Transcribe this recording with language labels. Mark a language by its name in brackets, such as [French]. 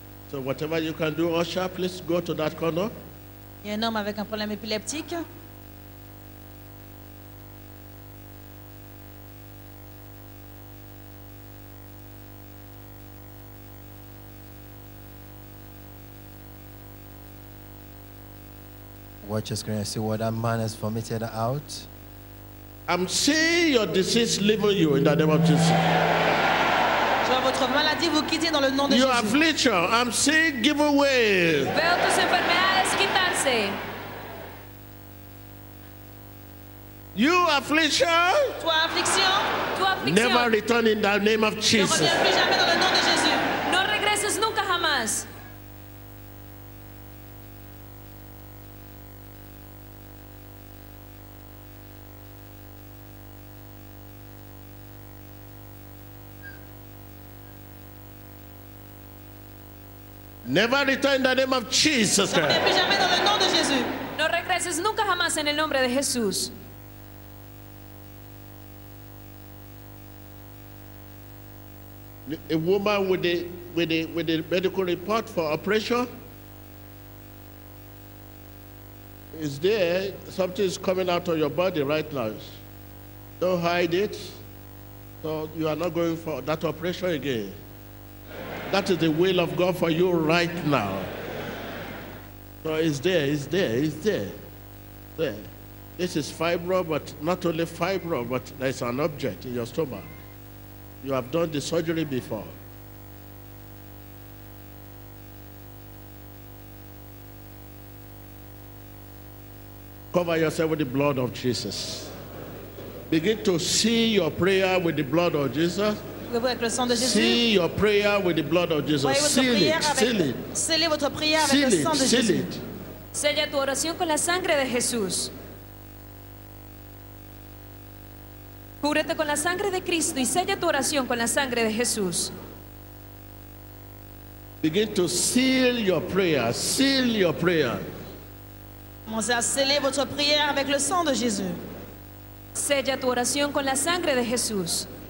[English] So whatever you can do, Osha, please go to that corner. [French] Il y a un homme avec un problème épileptique. [English] Watch your screen and see what that man has vomited out. I'm seeing your disease leaving you in the name of Jesus. [French] Je vois votre maladie vous quitter dans le nom de Jésus. [English] Your affliction, I'm seeing give away. [Spanish] Veo tus enfermedades quitarse. [English] You affliction. [French] Toi affliction. Toi affliction. [English] Never return in the name of Jesus. [French] Ne reviens plus jamais dans le nom de Jésus. [Spanish] No regreses nunca jamás. [English] Never return in the name of Jesus Christ. [French] Ne reviens jamais dans le nom de Jésus. [Spanish] No regreses nunca jamás en el nombre de Jesús. [English] A woman with the medical report for operation is there. Something is coming out of your body right now. Don't hide it. So you are not going for that operation again. That is the will of God for you right now. So it's there. This is fibro, but not only fibro, but there's an object in your stomach. You have done the surgery before. Cover yourself with the blood of Jesus. Begin to see your prayer with the blood of Jesus. See your prayer with the blood of Jesus. Seal it. [Spanish] Sella tu oración con la sangre de Jesús. Cúbrete con la sangre de Cristo y sella tu oración con la sangre de Jesús. [English] Begin to seal your prayer. Seal your prayer. [French] Comencez a sceller votre prière avec le sang de Jésus. [Spanish] Sella tu oración con la sangre de Jesús.